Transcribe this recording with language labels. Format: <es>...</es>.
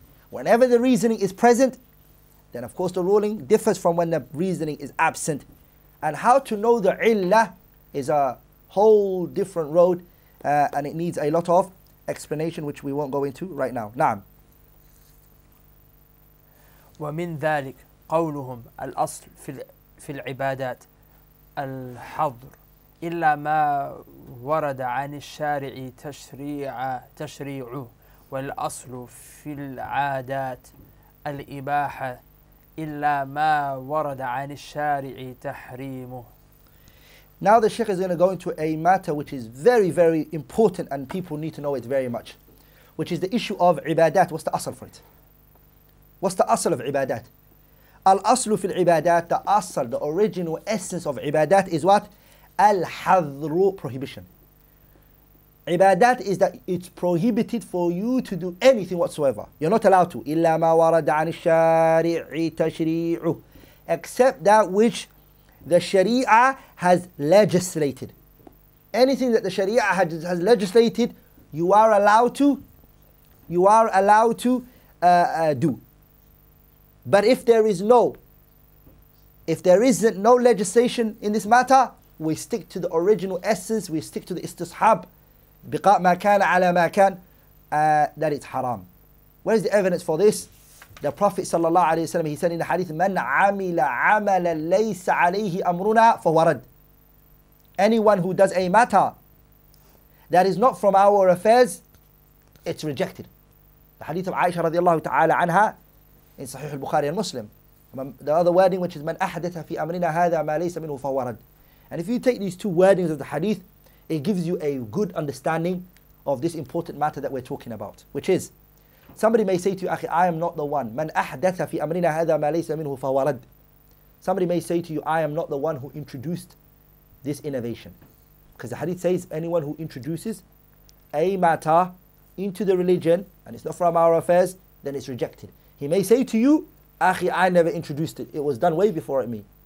<en>Whenever the reasoning is present, then of course the ruling differs from when the reasoning is absent. And how to know the illah is a whole different road, and it needs a lot of explanation, which we won't go into right now.</en> <ar>Naam. وَمِنْ ذَلِكَ قَوْلُهُمْ الْأَصْلُ فِي الْعِبَادَاتِ الْحَضْرُ إِلَّا مَا وَرَدَ عَنِ الشَّارِعِ تَشْرِيعُ والأصل في العادات الإباحة إلا ما ورد عن الشارع تحريمه.</ar> <en>Now the sheikh is going to go into a matter which is very, very important and people need to know it very much, which is the issue of عبادات. What's the أصل for it? What's the أصل of عبادات?</en> <ar>الأصل في العبادات,</ar> <en>the أصل, the original essence of عبادات is what? الحظر, prohibition. Ibadat is that it's prohibited for you to do anything whatsoever. You're not allowed to.</en> <ar>إِلَّا مَا وَرَدَ عَنِ الشَّارِعِ تَشْرِيعُ.</ar> <en>Except that which the Sharia has legislated. Anything that the Sharia has legislated, you are allowed to do. But if there isn't no legislation in this matter, we stick to the original essence, we stick to the istishab.</en> <ar>بقاء ما كان على ما كان,</ar> <en>that it's haram. Where is the evidence for this? The Prophet</en> <ar>صلى الله عليه وسلم,</ar> <en>he said in the hadith,</en> <ar>من عمل عملا ليس عليه أمرنا فورد.</ar> <en>Anyone who does a matter that is not from our affairs, it's rejected. The hadith of Aisha رضي الله تعالى عنها in صحيح البخاري المسلم. The other wording which is</en> <ar>من أحدث في أمرنا هذا ما ليس منه فورد.</ar> <en>And if you take these two wordings of the hadith, it gives you a good understanding of this important matter that we're talking about, which is, somebody may say to you, أخي, I am not the one.</en> <ar>من أحدث في أمرنا هذا ما ليس منه فورد.</ar> <en>Somebody may say to you, I am not the one who introduced this innovation. Because the hadith says, anyone who introduces a matter into the religion, and it's not from our affairs, then it's rejected. He may say to you, أخي, I never introduced it. It was done way before me.</en>